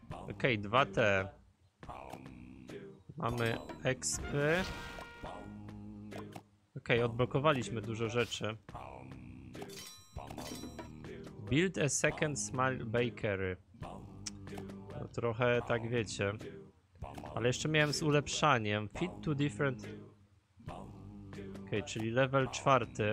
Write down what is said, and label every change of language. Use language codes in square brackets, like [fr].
[pl] Okej, 2T. Mamy expy. Okej, odblokowaliśmy dużo rzeczy. [en] Build a second small bakery. [pl] No, trochę tak wiecie. Ale jeszcze miałem z ulepszaniem. [en] Fit to different. [pl] Okej, czyli level 4.